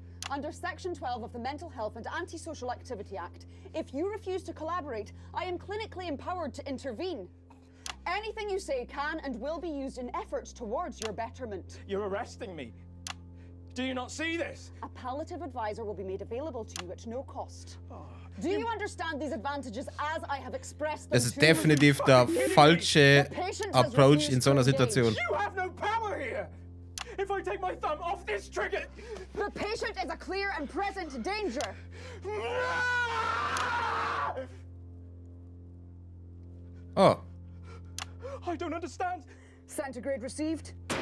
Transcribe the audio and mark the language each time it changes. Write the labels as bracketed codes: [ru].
[en] Under Section 12 of the Mental Health and Antisocial Activity Act, if you refuse to collaborate, I am clinically empowered to intervene. Anything you say can and will be used in efforts towards your betterment. You're arresting me. Do you not see this? A palliative advisor will be made available to you at no cost. Oh, Do you understand these advantages as I have expressed them to you? [de] Das ist definitiv der falsche Approach in so einer Situation. [en] You have no power here! If I take my thumb off this trigger... The patient is a clear and present danger. Oh. I don't understand. Centigrade received.